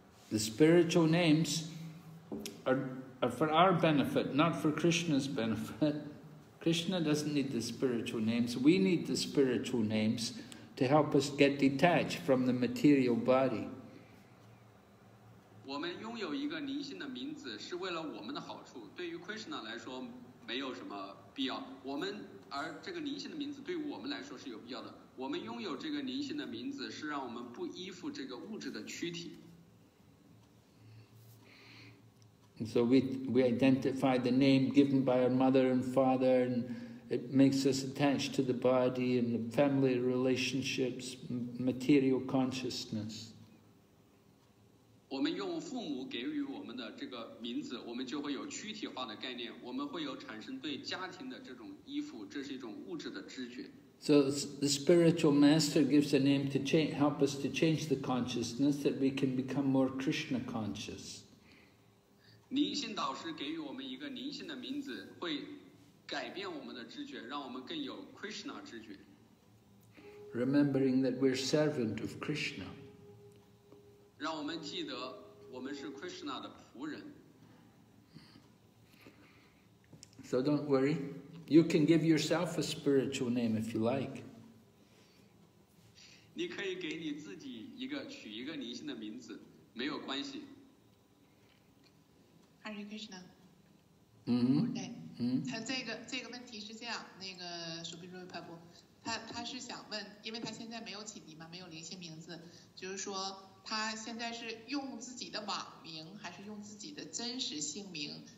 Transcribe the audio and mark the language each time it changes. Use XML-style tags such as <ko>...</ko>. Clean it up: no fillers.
<en>The spiritual names are for our benefit, not for Krishna's benefit. Krishna doesn't need the spiritual names. We need the spiritual names to help us get detached from the material body.</en> <zh>我们拥有一个灵性的名字是为了我们的好处，对于 Krishna 来说没有什么必要。我们而这个灵性的名字对于我们来说是有必要的。我们拥有这个灵性的名字是让我们不依附这个物质的躯体。</zh> <en>So we identify the name given by our mother and father, and it makes us attached to the body and the family relationships, material consciousness.</en> <zh>我们用父母给予我们的这个名字，我们就会有躯体化的概念，我们会有产生对家庭的这种依附，这是一种物质的知觉。</zh> <en>So the spiritual master gives a name to help us to change the consciousness that we can become more Krishna conscious.</en> <zh>灵性导师给予我们一个灵性的名字，会改变我们的知觉，让我们更有 Krishna 知觉。</zh> <en>Remembering that we're servant of Krishna.</en> <zh>让我们记得我们是 Krishna 的仆人。</zh> <en>So don't worry. You can give yourself a spiritual name if you like.</en> <zh>你可以给你自己一个取一个灵性的名字，没有关系。</zh> <en>Hare Krishna. 嗯。</en> <zh>他这个问题是这样，那个苏比瑞派布，他是想问，因为他现在没有启迪嘛，没有灵性名字，就是说他现在是用自己的网名还是用自己的真实姓名？</zh>